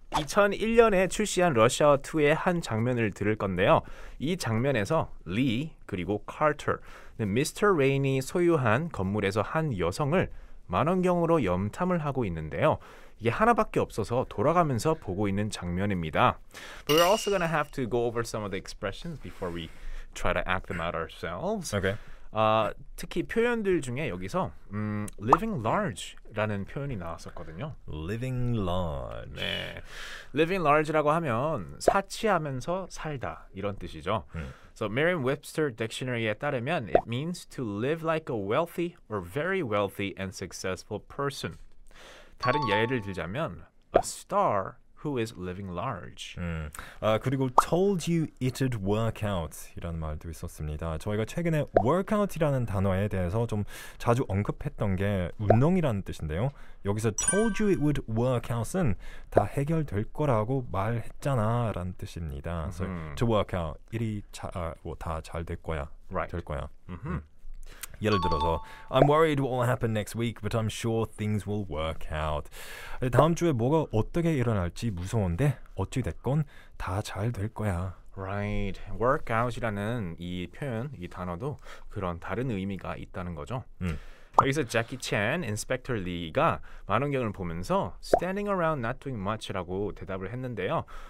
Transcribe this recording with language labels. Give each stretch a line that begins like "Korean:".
Korean: 2001년에 출시한 러시아워2의 한 장면을 들을 건데요. 이 장면에서 리 그리고 카터는 미스터 레인이 소유한 건물에서 한 여성을 만원경으로 염탐을 하고 있는데요. 이게 하나밖에 없어서 돌아가면서 보고 있는 장면입니다.
English: But we're also going to have to go over some of the expressions before we try to act them out ourselves. Okay.
Korean: 특히 표현들 중에 여기서 living large라는 표현이 나왔었거든요.
English: Living large.
Korean: 네. Living large라고 하면 사치하면서 살다 이런 뜻이죠.
English: So Merriam-Webster Dictionary에
Korean: 따르면
English: it means to live like a wealthy or very wealthy and successful person.
Korean: 다른 예를 들자면
English: a star who is living large.
Korean: 그리고
English: told you it'd work out
Korean: 이런 말도 있었습니다. 저희가 최근에 workout이라는 단어에 대해서 좀 자주 언급했던 게 운동이라는 뜻인데요. 여기서
English: told you it would work out
Korean: 은 다 해결될 거라고 말했잖아 라는 뜻입니다.
English: So, to work out,
Korean: 일이 다 잘 될 거야,
English: right.
Korean: 될 거야. Mm-hmm. 예를 들어서
English: I'm worried what will happen next week, but I'm sure things will work out.
Korean: 다음 주에 뭐가 어떻게 일어날지 무서운데 어찌 됐건 다 잘 될 거야.
English: Right.
Korean: Workout이라는 이 표현, 이 단어도 그런 다른 의미가 있다는 거죠. 여기서 Jackie Chan, Inspector Lee가 만원경을 보면서
English: standing around not doing much
Korean: 라고 대답을 했는데요.